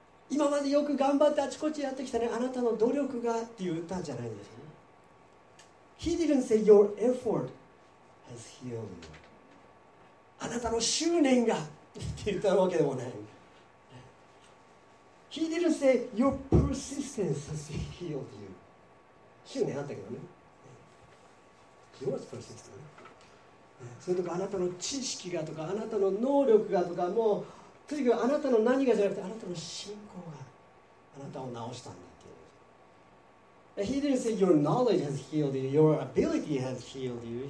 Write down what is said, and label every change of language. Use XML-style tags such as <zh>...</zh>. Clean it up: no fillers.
<ja>今までよく頑張ってあちこちやってきたね、あなたの努力がって言ったんじゃないんですよ。</ja> <en>He didn't say your effort has healed you.</en> <ja>あなたの執念がって言ったわけでもない。</ja> <en>He didn't say your persistence has healed you.</en> <ja>執念あったけどね。</ja> <en>Your persistence.</en> <ja>それとかあなたの知識がとかあなたの能力がとかもうとにかくあなたの何がじゃなくてあなたの信仰があなたを治したんだ。</ja> <en>He didn't say your knowledge has healed you, your ability has healed you.</en>